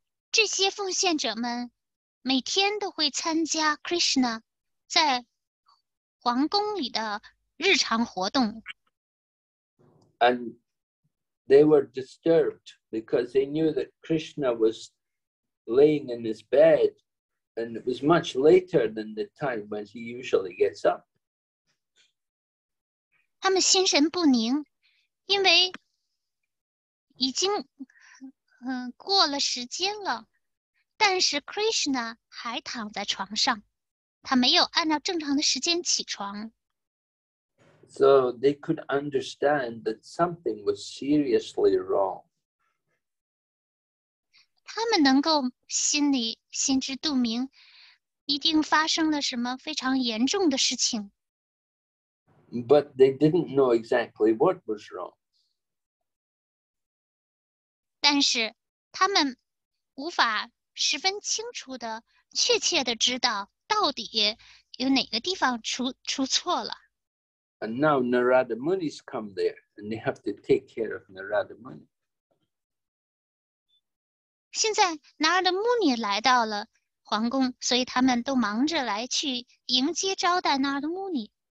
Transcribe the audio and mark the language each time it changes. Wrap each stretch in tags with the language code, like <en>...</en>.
<zh>这些奉献者们每天都会参加 Krishna 在皇宫里的日常活动。</zh> <en>And they were disturbed because they knew that Krishna was laying in his bed. And it was much later than the time when he usually gets up.</en> <zh>他们心神不宁，因为已经过了时间了，但是 Krishna 还躺在床上，他没有按照正常的时间起床。</zh> <en>So they could understand that something was seriously wrong.</en> <zh>他们能够心知肚明，一定发生了什么非常严重的事情。</zh> <en>But they didn't know exactly what was wrong.</en> <zh>但是他们无法十分清楚的、确切的知道到底有哪个地方出错了。</zh> <en>And now Narada Muni's come there, and they have to take care of Narada Muni.</en> <zh>现在 Narada Muni 来到了皇宫，所以他们都忙着来去迎接招待 Narada Muni。</zh>